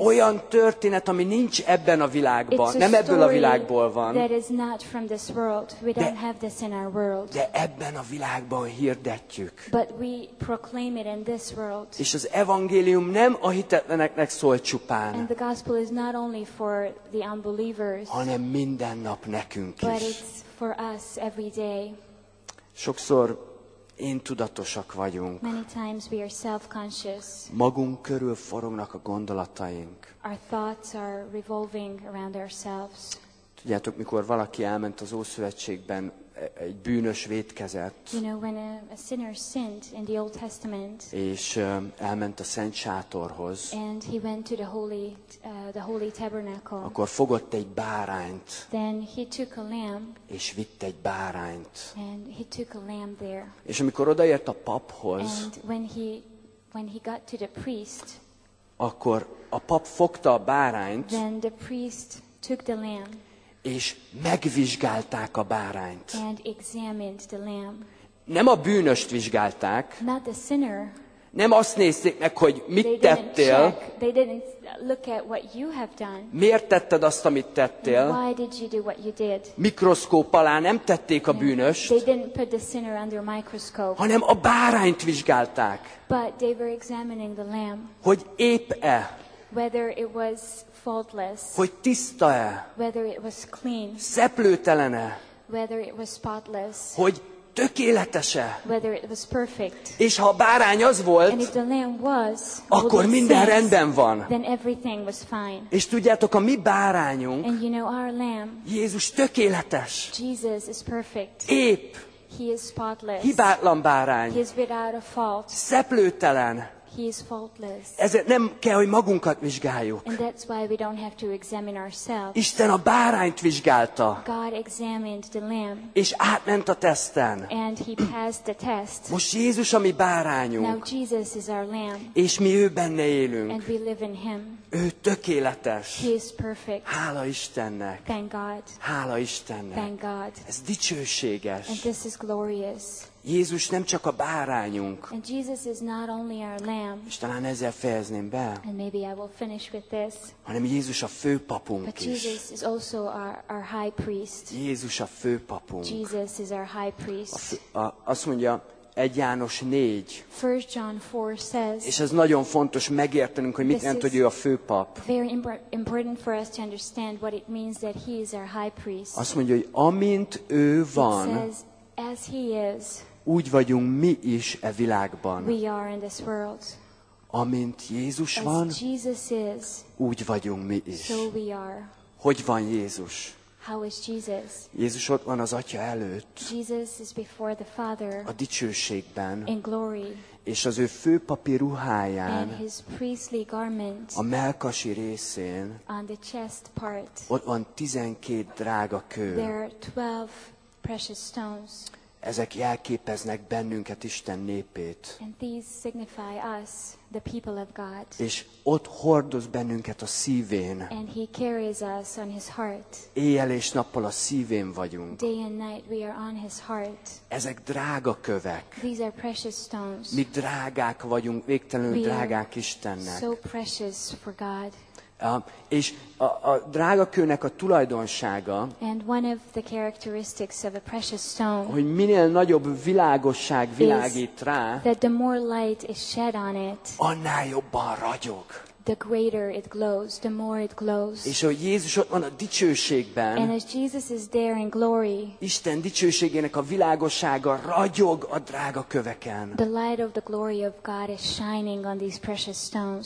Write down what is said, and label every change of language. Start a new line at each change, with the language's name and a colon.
Hungarian: Olyan történet, ami nincs ebben a világban,
English: it's
Hungarian: nem a ebből a világból van.
English: That is not from this world. We don't have this in our world.
Hungarian: De ebben a világban hirdetjük.
English: But we proclaim it in this world.
Hungarian: És az evangélium nem a hitetleneknek szól csupán.
English: And the gospel is not only for the unbelievers.
Hungarian: Hanem minden nap nekünk
English: but
Hungarian: is.
English: But it's for us every day.
Hungarian: Sokszor intudatosak vagyunk.
English: Many times we are self-conscious.
Hungarian: Magunk körül forognak a gondolataink.
English: Our thoughts are revolving around ourselves.
Hungarian: Tudjátok, mikor valaki elment az Ószövetségben, egy bűnös vétkezett.
English: You know, when a sinner sinned in the Old Testament.
Hungarian: És elment a Szent Sátorhoz.
English: And he went to the holy tabernacle.
Hungarian: Akkor fogott egy bárányt.
English: Then he took a lamb.
Hungarian: És vitt egy bárányt.
English: And he took a lamb there.
Hungarian: És amikor odaért a paphoz.
English: And when he got to the priest.
Hungarian: Akkor a pap fogta a bárányt.
English: Then the priest took the lamb.
Hungarian: És megvizsgálták a bárányt.
English: And examined the lamb.
Hungarian: Nem a bűnöst vizsgálták.
English: Not the sinner.
Hungarian: Nem azt nézték meg, hogy mit tettél.
English: They didn't look at what you have done.
Hungarian: Miért tetted azt, amit tettél?
English: And why did you do what you did?
Hungarian: Mikroszkóp alá nem tették a bűnöst.
English: They didn't put the sinner under a microscope.
Hungarian: Hanem a bárányt vizsgálták.
English: But they were examining the lamb.
Hungarian: Hogy épp-e?
English: Whether it was faultless,
Hungarian: hogy tiszta-e,
English: whether it was clean,
Hungarian: szeplőtelen-e,
English: whether it was spotless,
Hungarian: hogy tökéletes-e,
English: whether it was perfect.
Hungarian: És ha a bárány az volt,
English: and if the lamb was,
Hungarian: akkor minden sense, rendben van.
English: Then everything was fine.
Hungarian: És tudjátok, a mi bárányunk,
English: and you know, our lamb,
Hungarian: Jézus tökéletes,
English: Jesus is perfect.
Hungarian: Épp,
English: he is spotless.
Hungarian: Hibátlan bárány,
English: he is without a fault.
Hungarian: Szeplőtelen.
English: He is faultless.
Hungarian: Ezért nem kell, hogy magunkat vizsgáljuk.
English: And that's why we don't have to examine ourselves.
Hungarian: Isten a bárányt vizsgálta.
English: God examined the lamb.
Hungarian: És átment a teszten.
English: And he passed the test.
Hungarian: Most Jézus a mi bárányunk.
English: Now Jesus is our lamb.
Hungarian: És mi ő benne élünk.
English: And we live in him.
Hungarian: Ő tökéletes.
English: He is perfect.
Hungarian: Hála Istennek.
English: Thank God.
Hungarian: Hála Istennek.
English: Thank God.
Hungarian: Ez dicsőséges.
English: And this is glorious.
Hungarian: Jézus nem csak a bárányunk.
English: And Jesus is not only our lamb.
Hungarian: És talán ezzel fejezném be.
English: And maybe I will finish with this.
Hungarian: Hanem Jézus a főpapunk is.
English: But Jesus is also our high priest.
Hungarian: Jézus a főpapunk.
English: Jesus is our high priest.
Hungarian: Azt mondja, 1 János 4.
English: 1 John 4 says.
Hungarian: És ez nagyon fontos megértenünk, hogy mit jelent, hogy ő a főpap.
English: Very important for us to understand what it means that he is our high priest.
Hungarian: Azt mondja, hogy amint ő van.
English: As he is,
Hungarian: úgy vagyunk mi is e világban.
English: We are in this world.
Hungarian: Amint Jézus
English: as
Hungarian: van,
English: Jesus is,
Hungarian: úgy vagyunk mi is.
English: So we are.
Hungarian: Hogy van Jézus?
English: How is Jesus?
Hungarian: Jézus ott van az Atya előtt.
English: Jesus is before the Father,
Hungarian: a dicsőségben.
English: In glory.
Hungarian: És az ő főpapi ruháján,
English: and his priestly garment,
Hungarian: a mellkasi részén,
English: on the chest part,
Hungarian: ott van 12 drága kő.
English: There are 12 precious stones.
Hungarian: Ezek jelképeznek bennünket, Isten népét.
English: And these signify us, the people of God.
Hungarian: És ott hordoz bennünket a szívén.
English: And he carries us on his heart.
Hungarian: Éjjel és nappal a szívén vagyunk.
English: Day and night we are on his heart.
Hungarian: Ezek drága kövek.
English: These are precious stones.
Hungarian: Mi drágák vagyunk, végtelenül drágák Istennek.
English: So precious for God.
Hungarian: És a drága kőnek a tulajdonsága,
English: and one of the characteristics of a precious stone,
Hungarian: hogy minél nagyobb világosság világít rá,
English: that the more light is shed on it,
Hungarian: annál jobban ragyog.
English: the greater it glows, the more it glows.
Hungarian: És hogy Jézus ott van a dicsőségben.
English: And as Jesus is there in glory.
Hungarian: Isten dicsőségének a világossága ragyog a drága köveken.
English: The light of the glory of God is shining on these precious stones.